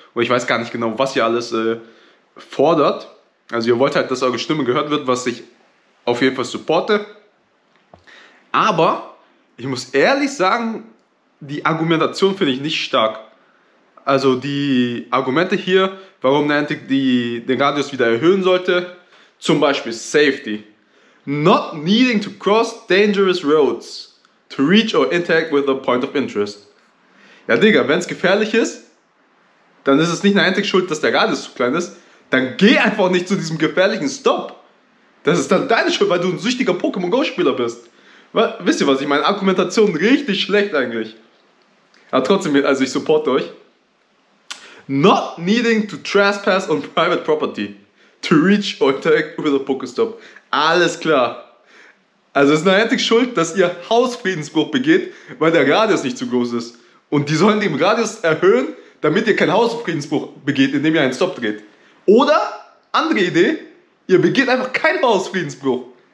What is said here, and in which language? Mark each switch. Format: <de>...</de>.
<de>Und ich weiß gar nicht genau, was ihr alles fordert. Also ihr wollt halt, dass eure Stimme gehört wird, was ich auf jeden Fall supporte. Aber ich muss ehrlich sagen, die Argumentation finde ich nicht stark. Also die Argumente hier, warum Niantic den Radius wieder erhöhen sollte, zum Beispiel Safety.</de> <en>Not needing to cross dangerous roads to reach or interact with a point of interest.</en> <de>Ja, Digga, wenn es gefährlich ist, dann ist es nicht Niantic schuld, dass der Radius zu klein ist. Dann geh einfach nicht zu diesem gefährlichen Stop. Das ist dann deine Schuld, weil du ein süchtiger Pokémon-Go-Spieler bist. Wisst ihr was? Ich meine, Argumentation richtig schlecht eigentlich. Aber trotzdem, also ich supporte euch.</de> <en>Not needing to trespass on private property to reach or interact with a Pokéstop.</en> <de>Alles klar. Also es ist Niantic schuld, dass ihr Hausfriedensbruch begeht, weil der Radius nicht zu groß ist. Und die sollen den Radius erhöhen, damit ihr kein Hausfriedensbruch begeht, indem ihr einen Stop dreht. Oder, andere Idee, ihr begeht einfach keinen Hausfriedensbruch.</de>